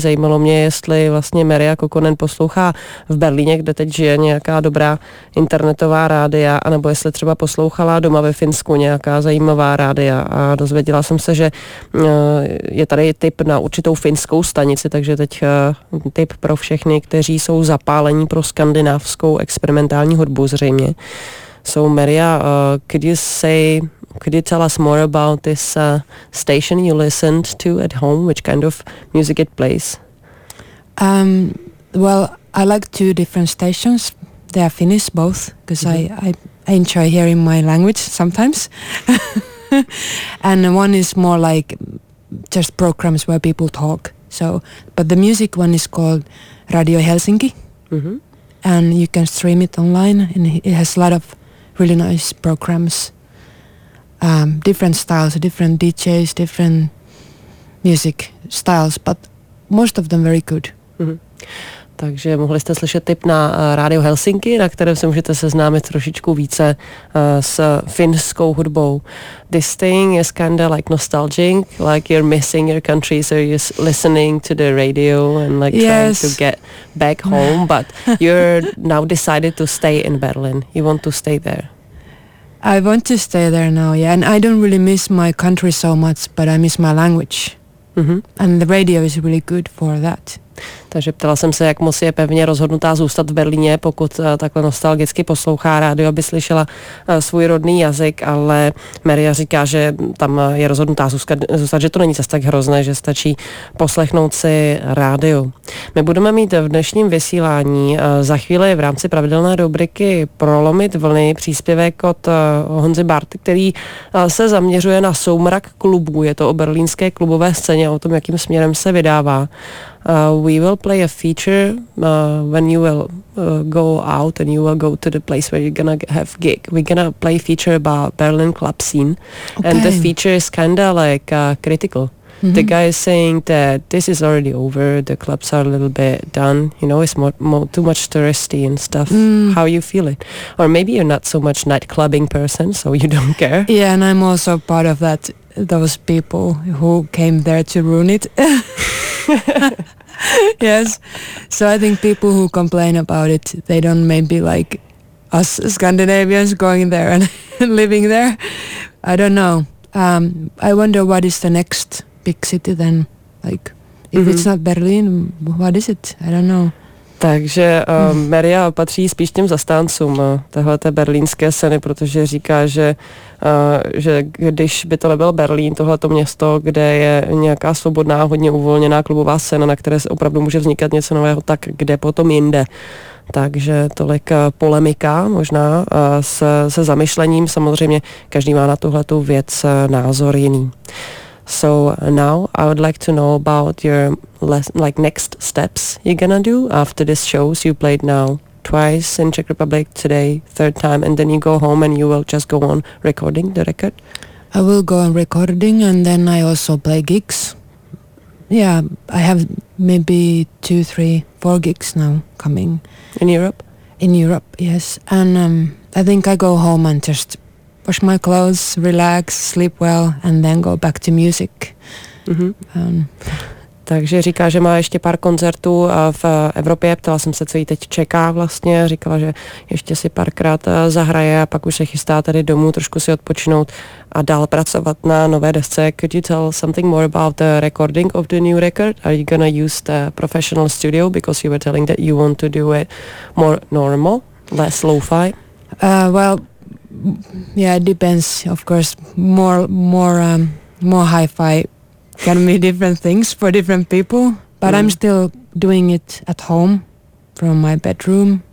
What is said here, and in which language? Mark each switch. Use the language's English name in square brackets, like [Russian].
[Czech] Zajímalo mě, jestli vlastně Maria Kokkonen poslouchá v Berlíně, kde teď žije, nějaká dobrá internetová rádia, anebo jestli třeba poslouchala doma ve Finsku nějaká zajímavá rádia. A dozvěděla jsem se, že je tady tip na určitou finskou stanici, takže teď tip pro všechny, kteří jsou zapálení pro skandinávskou experimentální hudbu zřejmě. [English] So Maria, could you tell us more about this station you listened to at home, which kind of music it plays? Well, I like two different stations. They are Finnish both, because mm-hmm. I enjoy hearing my language sometimes. And one is more like just programs where people talk. So, but the music one is called Radio Helsinki. Mm-hmm. And you can stream it online, and it has a lot of really nice programs, different styles, different DJs, different music styles, but most of them very good. Mm-hmm. [Czech] Takže mohli jste slyšet tip na Radio Helsinki, na kterém se můžete seznámit trošičku více s finskou hudbou. [English] This thing is kind of like nostalgic, like you're missing your country, so you're listening to the radio and like yes. trying to get back home, but you're now decided to stay in Berlin. You want to stay there. I want to stay there now, yeah, and I don't really miss my country so much, but I miss my language. Mm-hmm. And the radio is really good for that. [Czech] Takže ptala jsem se, jak moc je pevně rozhodnutá zůstat v Berlíně, pokud takhle nostalgicky poslouchá rádio, aby slyšela svůj rodný jazyk, ale Maria říká, že tam je rozhodnutá zůstat, že to není zase tak hrozné, že stačí poslechnout si rádio. My budeme mít v dnešním vysílání za chvíli v rámci pravidelné rubriky Prolomit vlny příspěvek od Honzy Bart, který se zaměřuje na soumrak klubů. Je to o berlínské klubové scéně, o tom, jakým směrem se vydává. [English] We will play a feature when you will go out and you will go to the place where you're gonna have gig. We're gonna play a feature about Berlin club scene. Okay. And the feature is kinda like critical. Mm-hmm. The guy is saying that this is already over, the clubs are a little bit done, you know, it's too much touristy and stuff. Mm. How you feel it? Or maybe you're not so much nightclubbing person, so you don't care. Yeah, and I'm also part of that, those people who came there to ruin it. Yes, so I think people who complain about it, they don't maybe like us Scandinavians going there and living there. I don't know. I wonder what is the next big city then? Like, if mm-hmm. it's not Berlin, what is it? I don't know. [Czech] Takže Maria patří spíš těm zastáncům téhleté berlínské scény, protože říká, že když by to nebyl Berlín, tohleto město, kde je nějaká svobodná, hodně uvolněná klubová scéna, na které se opravdu může vznikat něco nového, tak kde potom jinde. Takže tolik polemika možná se zamyšlením, samozřejmě každý má na tuhletu věc názor jiný. [English] So now I would like to know about your next steps you're gonna do after this show. So you played now twice in Czech Republic today, third time, and then you go home and you will just go on recording the record? I will go on recording and then I also play gigs. Yeah, I have maybe 2, 3, 4 gigs now coming. In Europe? In Europe, yes. And I think I go home and just wash my clothes, relax, sleep well, and then go back to music. [Czech] Takže říká, že má ještě pár koncertů v Evropě. Ptala jsem se, co jí teď čeká vlastně. Říkala, že ještě si párkrát zahraje a pak už se chystá tady domů trošku si odpočinout a dál pracovat na nové desce. [English] Could you tell something more about the recording of the new record? Are you gonna use the professional studio? Because you were telling that you want to do it more normal, less lo-fi. Yeah, it depends, of course. More hi-fi can be different things for different people, but I'm still doing it at home from my bedroom.